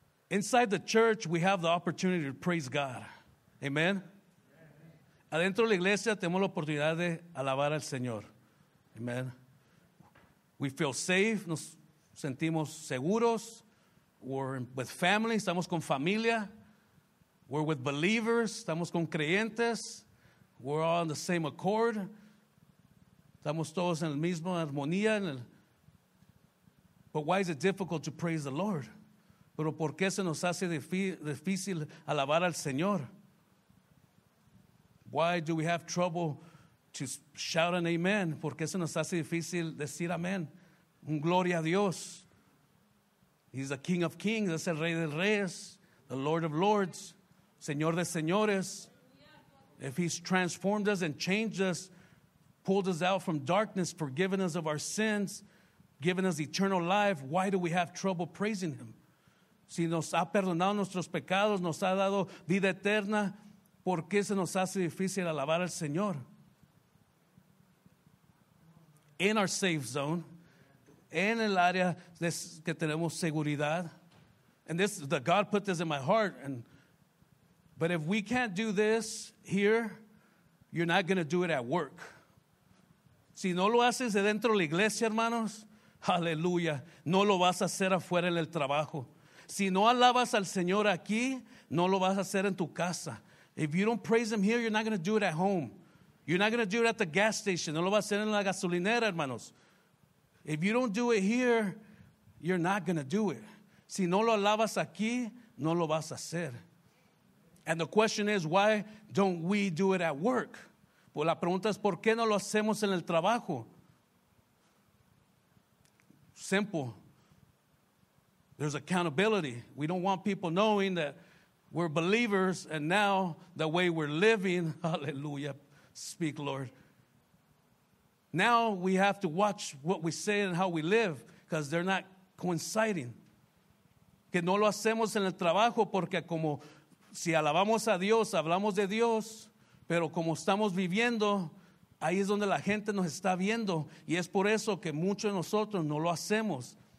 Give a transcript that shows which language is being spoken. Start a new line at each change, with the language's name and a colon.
English: Inside the church, we have the opportunity to praise God. Amen.
Spanish: Adentro de la iglesia tenemos la oportunidad de alabar al Señor.
English: Amen. We feel safe.
Spanish: Nos sentimos seguros.
English: We're with family.
Spanish: Estamos con familia.
English: We're with believers.
Spanish: Estamos con creyentes.
English: We're all on the same accord.
Spanish: Estamos todos en la misma armonía.
English: But why is it difficult to praise the Lord?
Spanish: Pero ¿por qué se nos hace difícil alabar al Señor?
English: Why do we have trouble to shout an amen?
Spanish: ¿Por qué se nos hace difícil decir amén? Un gloria a Dios.
English: He's the King of Kings.
Spanish: Es el Rey de Reyes.
English: The Lord of Lords.
Spanish: Señor de Señores.
English: If he's transformed us and changed us, pulled us out from darkness, forgiven us of our sins, given us eternal life, why do we have trouble praising him?
Spanish: Si nos ha perdonado nuestros pecados, nos ha dado vida eterna, ¿por qué se nos hace difícil alabar al Señor?
English: In our safe zone,
Spanish: en el área de que tenemos seguridad.
English: And this, the God put this in my heart. But if we can't do this here, you're not going to do it at work.
Spanish: Si no lo haces de dentro de la iglesia, hermanos, aleluya, no lo vas a hacer afuera en el trabajo. Si no alabas al Señor aquí, no lo vas a hacer en tu casa.
English: If you don't praise him here, you're not going to do it at home. You're not going to do it at the gas station.
Spanish: No lo vas a hacer en la gasolinera, hermanos.
English: If you don't do it here, you're not going to do it.
Spanish: Si no lo alabas aquí, no lo vas a hacer.
English: And the question is, why don't we do it at work?
Spanish: Pues la pregunta es, ¿por qué no lo hacemos en el trabajo?
English: Simple. There's accountability. We don't want people knowing that we're believers and now the way we're living, hallelujah, speak, Lord. Now we have to watch what we say and how we live because they're not coinciding.
Spanish: Que no lo hacemos en el trabajo porque como si alabamos a Dios, hablamos de Dios, pero como estamos viviendo, ahí es donde la gente nos está viendo y es por eso que muchos de nosotros no lo hacemos.